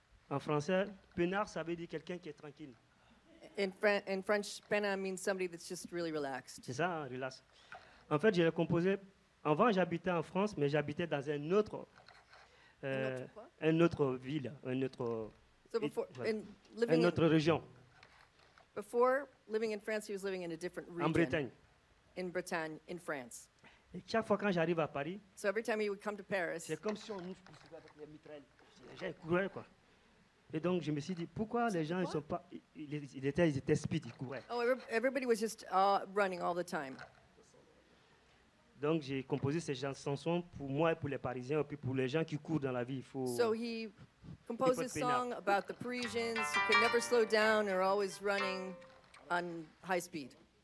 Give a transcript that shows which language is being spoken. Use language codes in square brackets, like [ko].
[fr] En français, peinard, ça veut dire quelqu'un qui est tranquille. [en] In French, peinard means somebody that's just really relaxed. [fr] C'est ça, hein, relax. En fait, j'ai composé. Avant, j'habitais en France, mais j'habitais dans un autre. Une autre ville. Une autre région. [en] Before living in France, he was living in a different region. [fr] En Bretagne. [en] In Bretagne, in France. [fr] Et chaque fois quand j'arrive à Paris, [en] so every time he would come to Paris, [fr] c'est comme si on nous poussait avec les mitraillettes. J'ai couru, quoi. Et donc, je me suis dit, pourquoi les gens, ils étaient speed, ils couraient. [en] Oh, everybody was just running all the time. [fr] Donc, j'ai composé ces chansons pour moi et pour les Parisiens, et puis pour les gens qui courent dans la vie. [en] So he composed a song about the Parisians who can never slow down or always running on high speed.